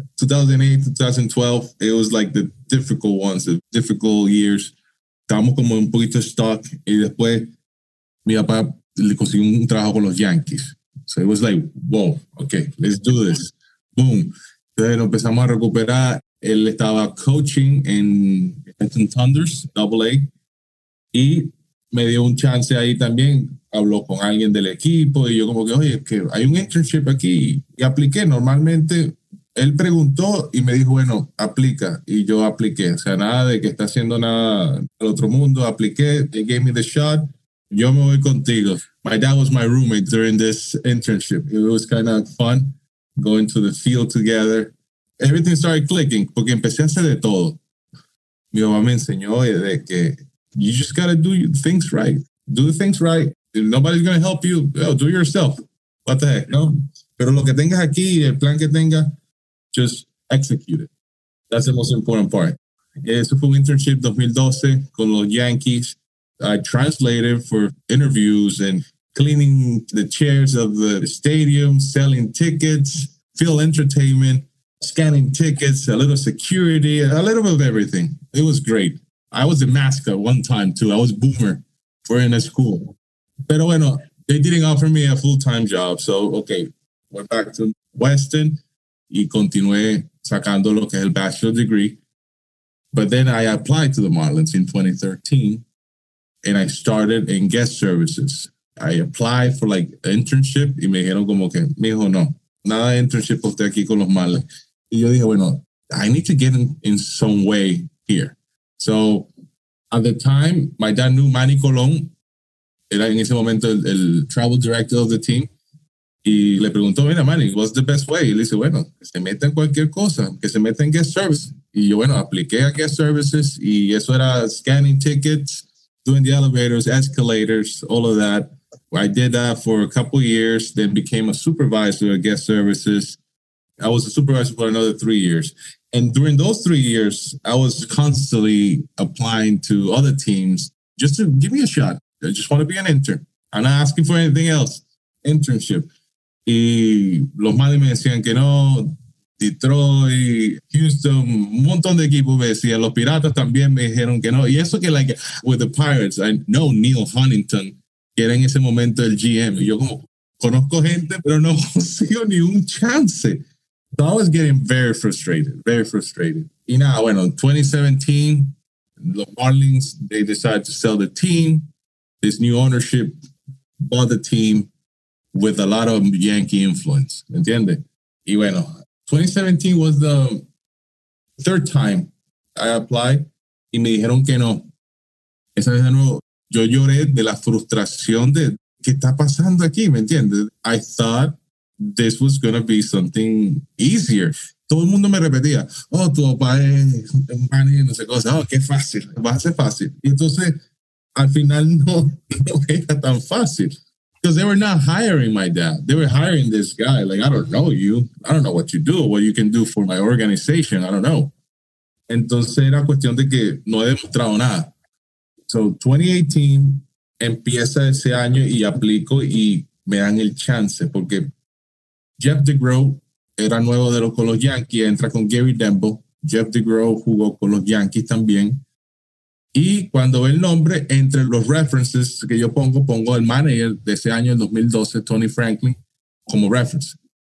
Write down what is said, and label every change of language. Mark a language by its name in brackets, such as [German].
[English] 2008, 2012, it was like the difficult ones, the difficult years. [Spanish] Estábamos como un poquito stuck y después mi papá le consiguió un trabajo con los Yankees. [English] So it was like, wow, okay, let's do this. [Spanish] Boom. Entonces nos empezamos a recuperar. Él estaba coaching en Trenton Thunders, AA, y me dio un chance ahí también. Habló con alguien del equipo y yo como que, oye, que hay un internship aquí. Y apliqué. Normalmente él preguntó y me dijo, bueno, aplica. Y yo apliqué. O sea, nada de que está haciendo nada al otro mundo. Apliqué. [English] He gave me the shot. [Spanish] Yo me voy contigo. [English] My dad was my roommate during this internship. It was kind of fun going to the field together. Everything started clicking [Spanish] porque empecé a hacer de todo. Mi mamá me enseñó de que [English] you just got to do things right. Do the things right. If nobody's going to help you, well, do it yourself. What the heck, [Spanish] no? Pero lo que tengas aquí, el plan que tengas, [English] just execute it. That's the most important part. [Spanish] Eso fue un internship 2012 con los Yankees. [English] I translated for interviews and cleaning the chairs of the stadium, selling tickets, field entertainment, scanning tickets, a little security, a little bit of everything. It was great. I was a mascot one time too. I was Boomer for in a school. [Spanish] Pero bueno, [English] they didn't offer me a full-time job. So, okay, went back to Weston. [Spanish] Y continué sacando lo que es el bachelor's degree. [English] But then I applied to the Marlins in 2013 and I started in guest services. I applied for like an internship [Spanish] y me dijeron como que, mijo, no, nada de internship usted aquí con los Marlins. Y yo dije, bueno, [English] I need to get in some way here. So at the time, my dad knew Manny Colón, [Spanish] era en ese momento el [English] travel director of the team. [Spanish] Y le preguntó, mira, Manny, [English] what's the best way? [Spanish] Y le dice, bueno, que se meta en cualquier cosa, que se meta en guest service. Y yo, bueno, apliqué a [English] guest services [Spanish] y eso era [English] scanning tickets, doing the elevators, escalators, all of that. I did that for a couple of years, then became a supervisor of guest services. I was a supervisor for another 3 years. And during those 3 years, I was constantly applying to other teams just to give me a shot. I just want to be an intern. I'm not asking for anything else. Internship. [Spanish] Y los Marlins me decían que no, Detroit, Houston, un montón de equipos me decían, los Piratas también me dijeron que no. Y eso que, [English] like, with the Pirates, I know [Spanish] Neil Huntington, que era en ese momento el GM. Y yo como, conozco gente, pero no consigo ni un chance. [English] So I was getting very frustrated, very frustrated. [Spanish] Y nada, bueno, [English] 2017, the Marlins, they decided to sell the team. This new ownership bought the team with a lot of Yankee influence. ¿Entiende? [Spanish] Y bueno, [English] 2017 was the third time I applied. [Spanish] Y me dijeron que no. Esa vez de nuevo, yo lloré de la frustración de qué está pasando aquí, ¿me entiendes? [English] I thought this was going to be something easier. [Spanish] Todo el mundo me repetía, oh, tu papá es un man y no sé cosa. Oh, qué fácil, va a ser fácil. Y entonces, al final no era tan fácil. [English] Because they were not hiring my dad. They were hiring this guy. Like, I don't know you. I don't know what you do, what you can do for my organization. I don't know. [Spanish] Entonces era cuestión de que no he demostrado nada. So 2018 empieza ese año y aplico y me dan el chance porque Jeff DeGrom era nuevo de los con los Yankees, entra con Gary Denbo. Jeff DeGrom jugó con los Yankees también. Y cuando ve el nombre, entre los references que yo pongo el manager de ese año, el 2012, Tony Franklin, como reference.